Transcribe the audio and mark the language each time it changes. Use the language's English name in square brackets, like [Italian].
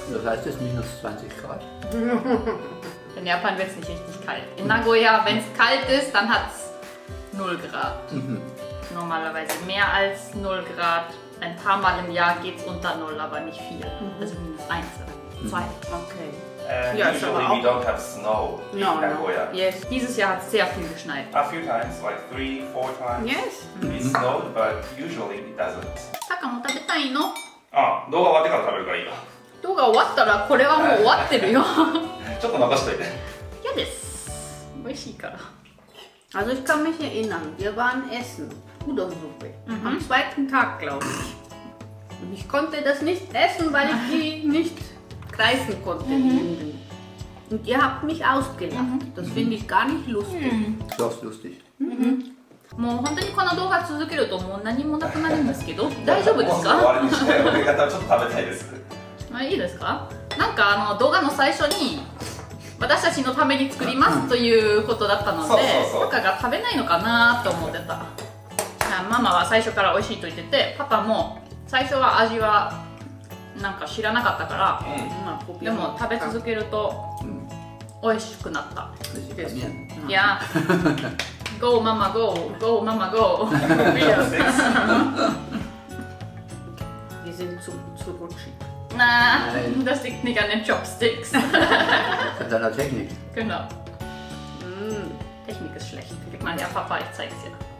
[German] Das heißt, es ist minus 20 Grad. In Japan wird es nicht richtig kalt. In Nagoya, wenn es kalt ist, dann hat es 0 Grad. Normalerweise mehr als 0 Grad. Ein paar Mal im Jahr geht es unter 0, aber nicht viel. Also minus 1 oder 2. Okay. [English] Usually we don't have snow in Nagoya. Yes. [German] Dieses Jahr hat es sehr viel geschneit. [English] A few times, like 3-4 times. Yes. It snowed, but usually it doesn't. [Japanese] Taka も食べたいの? Ah, 動画終わってから食べるからいいよ。動画終わったらこれはもう終わってるよ。ちょっと残しといて。いやです。美味しいから。 Also ich kann mich erinnern, wir waren essen, Udon-Suppe, am zweiten Tag, glaube ich. Und ich konnte das nicht essen, weil ich die nicht greifen konnte. Und ihr habt mich ausgelacht. Das finde ich gar nicht lustig. Das ist lustig. もう本当にこの動画続けるともう何もなくなるんですけど、大丈夫ですか？もう終わりにして、俺方はちょっと食べたいです。まあいいですか？なんかあの動画の最初に、私たちのために作りますということだったので、パパが食べないのかなと思ってた。ママは最初から美味しいと言ってて、パパも最初は味はなんか知らなかったから、でも食べ続けると美味しくなった。いや、 [English] Go Mama Go、Go Mama Go。 [German] Wir sind zu rutschig。 Na, nein. Das liegt nicht an den Chopsticks. An deiner Technik. Genau. Technik ist schlecht. Guck mal, ja, Papa, ich zeig's dir.